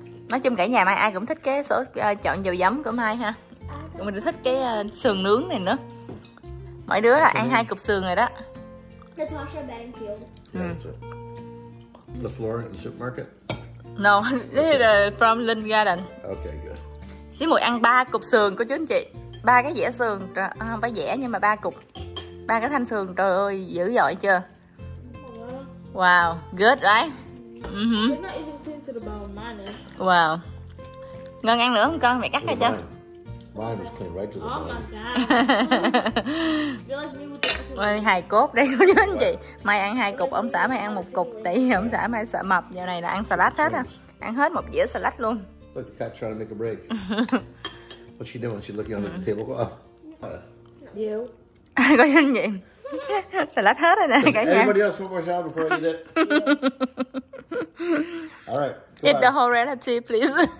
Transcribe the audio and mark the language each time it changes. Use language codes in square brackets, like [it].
[vi] Nói chung cả nhà Mai ai cũng thích cái số chọn dầu giấm của Mai ha. Mình thích cái sườn nướng này nữa. Mỗi đứa là ăn 2 cục sườn rồi đó. [en] Natasha, thank you. The floor in the supermarket. No, this is from Linh Garden. Okay, good. [vi] Xí mùi ăn 3 cục sườn của chú anh chị. 3 cái dẻ sườn, không phải dẻ nhưng mà 3 cục. 3 cái thanh sườn, trời ơi, dữ dội chưa? [en] Wow, good right? Mm-hmm. They're not even clean to the bone, mine is. Wow. [vi] Ngân ăn nữa không con, mẹ cắt ra cho. [en] Mine is clean right to the bone. Oh my god. [vi] Ôi, hài cốt đây của chú anh chị. Mai ăn 2 cục, ông xã mai ăn 1 cục. Tại vì ông xã mai sợ mập, giờ này là ăn salad hết à. Ăn hết một dĩa salad luôn. [en] Look, the cat trying to make a break. What's she doing? She's looking under the tablecloth. You. [vi] Có chú anh chị. Salad hết rồi nè cả nhà. [en] Anybody else want more salad before I eat it? Yeah. All right. Go eat on. The whole relative, please.